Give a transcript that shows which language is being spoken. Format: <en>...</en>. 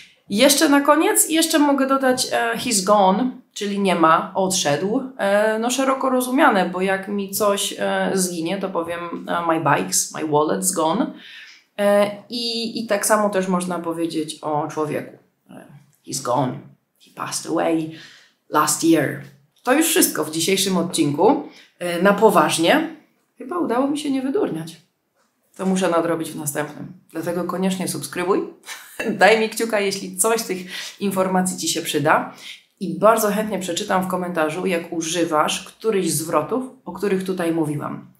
<pl>Jeszcze na koniec, jeszcze mogę dodać</pl> <en>he's gone,</en> <pl>czyli nie ma, odszedł. No szeroko rozumiane, bo jak mi coś zginie, to powiem</pl> <en>my bike's, my wallet's gone.</en> <pl>I tak samo też można powiedzieć o człowieku.</pl> <en>He's gone. He passed away last year.</en> <pl>To już wszystko w dzisiejszym odcinku. Na poważnie. Chyba udało mi się nie wydurniać. To muszę nadrobić w następnym. Dlatego koniecznie subskrybuj. Daj mi kciuka, jeśli coś z tych informacji Ci się przyda. I bardzo chętnie przeczytam w komentarzu, jak używasz któryś z zwrotów, o których tutaj mówiłam.</pl>